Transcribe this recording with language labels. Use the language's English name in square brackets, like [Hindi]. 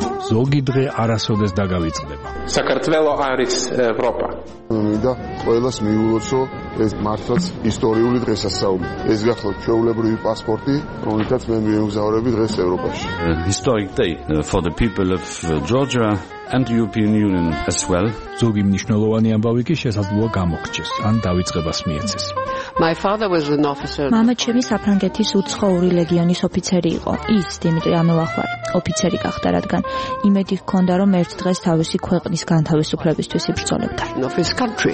[Georgian] ზოგი დღე არასოდეს დაგავიწყდება. საქართველო არის ევროპა. მინდა ყოველას მიულოცო ეს მართლაც ისტორიული დღესასწაული. ეს გახლავთ ჩვეულებრივი პასპორტი, რომელიც მე მიემგზავრები დღეს ევროპაში. [English] Historic day for the people of Georgia and European Union as well. [Georgian] ზოგი მნიშვნელოვანი ამბავი კი შესაძლოა გამოგჩეს ან დაიწყებას მიეცეს. [English] My father was an officer. [Georgian] Мама ჩემი საფრანგეთის უცხოური ლეგიონის ოფიცერი იყო. ის დიმიტრი ამელახვარი ოფიცერი გახდა, რადგან იმედი ჰქონდა, რომ ერთ დღეს თავისი ქვეყნის განთავისუფლებისთვის იბრძოლებდა.